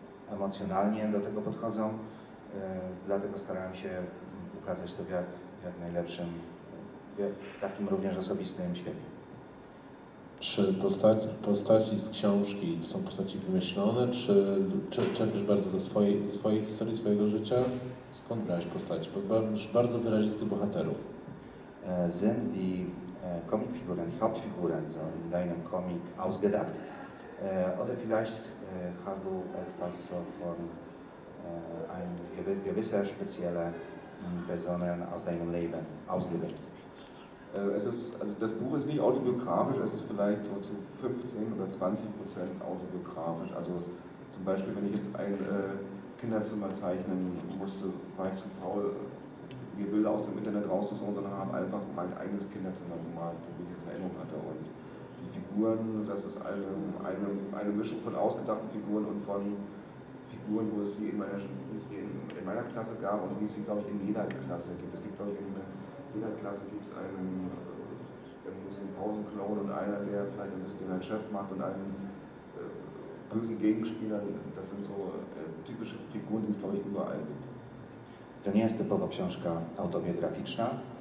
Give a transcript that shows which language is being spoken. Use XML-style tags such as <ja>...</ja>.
<pl>Emocjonalnie do tego podchodzą, dlatego starałem się ukazać to w jak najlepszym, w takim również osobistym świetle. Czy postaci z książki są postaci wymyślone, czy czerpiesz bardzo ze swojej historii, swojego życia? Skąd brałeś postaci? Bo masz bardzo wyrazistych bohaterów.</pl> <de>Sind die Comicfiguren, die Hauptfiguren so in deinem Comic ausgedacht? Oder vielleicht hast du etwas so von einem gewissen speziellen Personen aus deinem Leben ausgewählt? Es ist, also das Buch ist nicht autobiografisch, es ist vielleicht so zu 15% oder 20% autobiografisch. Also zum Beispiel, wenn ich jetzt ein Kinderzimmer zeichnen musste, war ich zu faul, mir Bilder aus dem Internet rauszusuchen, sondern habe einfach mein eigenes Kinderzimmer gemalt, wie ich es in Erinnerung hatte. Und Figuren, das ist eine Mischung von ausgedachten Figuren und von Figuren, wo es sie in meiner Klasse gab und wie es sie, glaube ich, in jeder Klasse gibt. Es gibt, glaube ich, in jeder Klasse gibt es einen, der muss den Pausenclown und einer, der vielleicht ein bisschen den Chef macht und einen bösen Gegenspieler. Das sind so typische Figuren, die es, glaube ich, überall gibt.</de> <pl>To nie jest typowa książka autobiograficzna.</pl>